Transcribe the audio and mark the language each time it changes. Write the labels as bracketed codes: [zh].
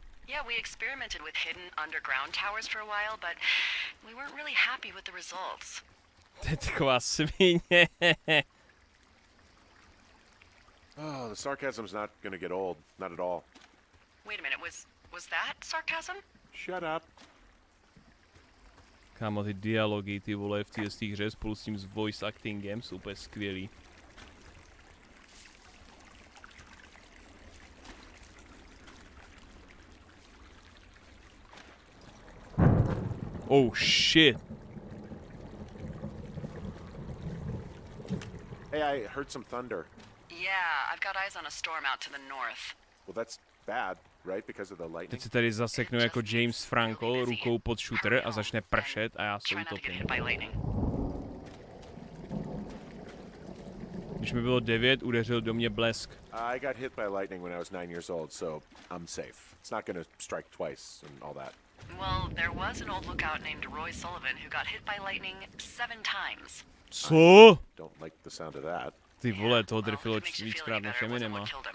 [en] Yeah, we experimented with hidden underground towers for a while, but we weren't really happy with the results. [cs] To je taková svině. [en] Oh, the sarcasm's not gonna get old, not at all. Wait a minute, was that sarcasm? Shut up. [cs] Kámo, ty dialogy, ty vole, v té hře spolu s tím s voice actingem jsou úplně skvělý. [en] Oh shit. Hey, I heard some thunder. Yeah, I've got eyes on a storm out to the north. Well, that's bad, right? Because of the lightning. [cs] Teď se tady zaseknu jako James Franco rukou pod šuter a začne pršet a já se utopím. Když mi bylo 9, udeřil do mě blesk. [en] I got hit by lightning when I was 9 years old, so I'm safe. It's not gonna strike twice and all that. Well, there was an old lookout named Roy Sullivan who got hit by lightning 7 times. [cs] Co? [en] I don't like the sound of that. [cs] Ty vole, toho drfilo víckrát na všem jinýma.